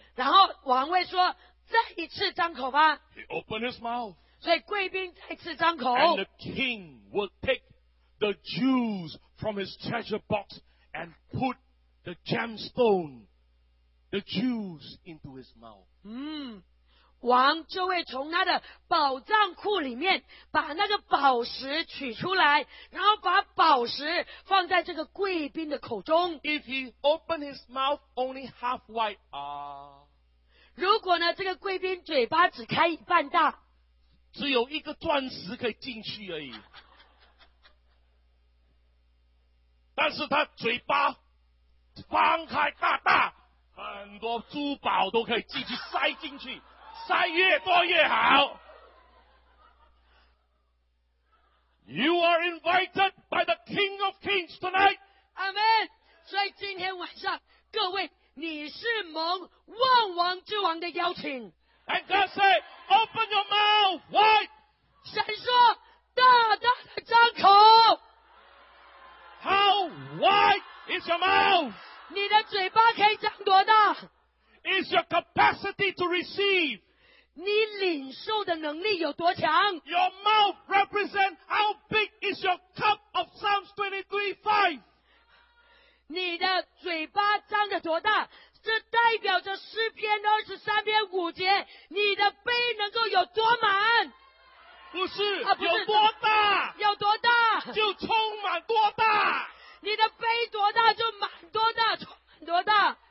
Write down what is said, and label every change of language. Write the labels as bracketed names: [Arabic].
[Chinese] 然后王会说，再一次张口吧。 [English] He opened his mouth. [Chinese] 所以贵宾再次张口。 [English] And the king will take the jewels from his treasure box and put the gemstone, the jewels into his mouth. [Chinese] 王就会从他的宝藏库里面把那个宝石取出来，然后把宝石放在这个贵宾的口中。 [English] If he opened his mouth only half wide, [Chinese] 如果呢这个贵宾嘴巴只开一半大，只有一个钻石可以进去而已，但是他嘴巴放开大大，很多珠宝都可以继续塞进去，塞越多越好。 [English] You are invited by the King of Kings tonight. Amen. [Chinese] 所以今天晚上各位，你是蒙万王之王的邀请。 [English] And God said, "Open your mouth wide." [Chinese] 神说大大的张口。 [English] How wide is your mouth? [Chinese] 你的嘴巴可以张多大？ [English] Is your capacity to receive? [Chinese] 你领受的能力有多强？ [English] Your mouth represents how big is your cup of Psalms 23:5. [Chinese] 你的嘴巴张得多大，这代表着诗篇23篇5节，你的杯能够有多满？不是，啊、不是有多大？有多大？就充满多大？你的杯多大就满多大，充满多大？